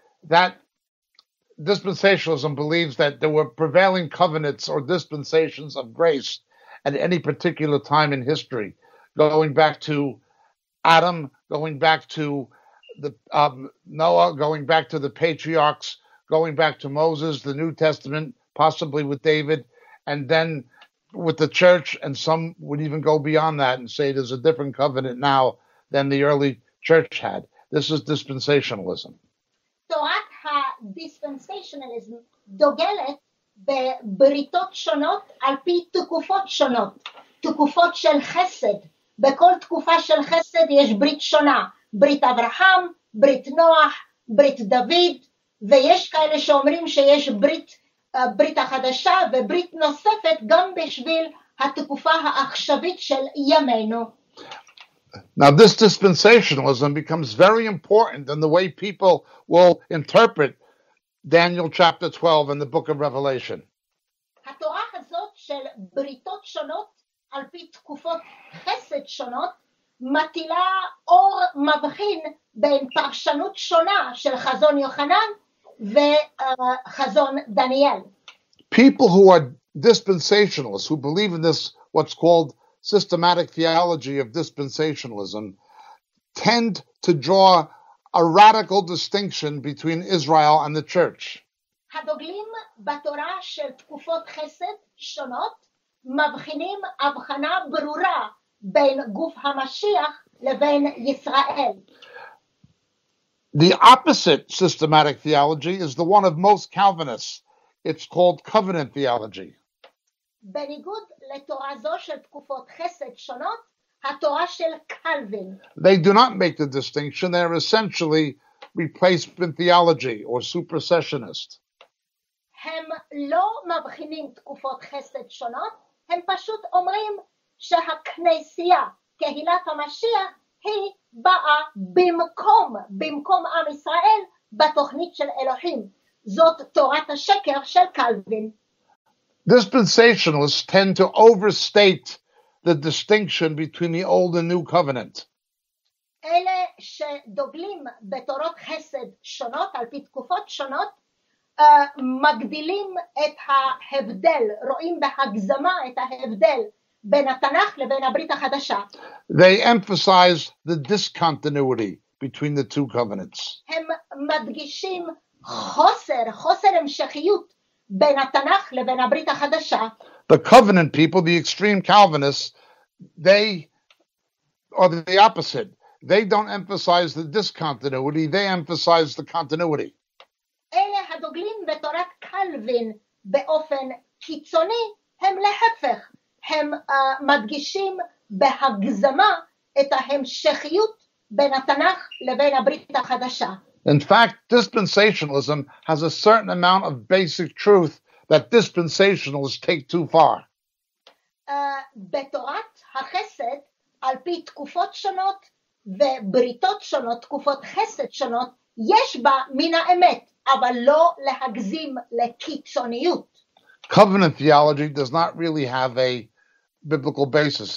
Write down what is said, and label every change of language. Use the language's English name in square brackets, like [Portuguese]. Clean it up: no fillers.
[English] That dispensationalism believes that there were prevailing covenants or dispensations of grace at any particular time in history, going back to Adam, going back to the Noah, going back to the patriarchs, going back to Moses, the New Testament, possibly with David, and then with the church, and some would even go beyond that and say there's a different covenant now than the early church had. This is dispensationalism. [Hebrew] תורת הדיספנסיישנליזם דוגלת בבריתות שונות על פי תקופות שונות, תקופות של חסד. בכל תקופה של חסד יש ברית שונה, ברית אברהם, ברית נוח, ברית דוד, ויש כאלה שאומרים שיש ברית החדשה וברית נוספת גם בשביל התקופה העכשווית של ימינו. [English] Now, this dispensationalism becomes very important in the way people will interpret Daniel chapter 12 in the book of Revelation. [Hebrew] התורה הזאת של בריתות שונות על פי תקופות חסד שונות מטילה אור מבחין בין פרשנות שונה של חזון יוחנן וחזון דניאל. [English] People who are dispensationalists, who believe in this, what's called systematic theology of dispensationalism, tend to draw a radical distinction between Israel and the church. [Hebrew] הדוגלים בתורה של תקופות חסד שונות מבחינים הבחנה ברורה בין גוף המשיח לבין ישראל. [English] The opposite systematic theology is the one of most Calvinists. It's called covenant theology. [Hebrew] בניגוד לתורה זו של תקופות חסד שונות, התורה של קלווין. [English] They do not make the distinction. They are essentially replacement theology or supersessionist. [Hebrew] הם לא מבחינים תקופות חסד שונות, הם פשוט אומרים שהכנסייה, קהילת המשיח, היא באה במקום עם ישראל בתוכנית של אלוהים. זאת תורת השקר של קלווין. [English] Dispensationalists tend to overstate the distinction between the old and new covenant. [Hebrew] אלה שדוגלים בתורות חסד שונות על פי תקופות שונות מגדילים את ההבדל, רואים בהגזמה את ההבדל בין התנ"ך לבין הברית החדשה. [English] They emphasize the discontinuity between the two covenants. [Hebrew] הם מדגישים חוסר המשכיות בין התנ"ך לבין הברית החדשה. [English] The covenant people, the extreme Calvinists, they are the opposite. They don't emphasize the discontinuity, they emphasize the continuity. [Hebrew] אלה הדוגלים בתורת קלווין באופן קיצוני, הם להפך. הם מדגישים בהגזמה את ההמשכיות בין התנ"ך לבין הברית החדשה. [English] In fact, dispensationalism has a certain amount of basic truth that dispensationalists take too far. [Hebrew] בתורת החסד, על פי תקופות שונות ובריתות שונות, תקופות חסד שונות, יש בה מן האמת, אבל לא להגזים לקיצוניות. [English] Covenant theology does not really have a biblical basis.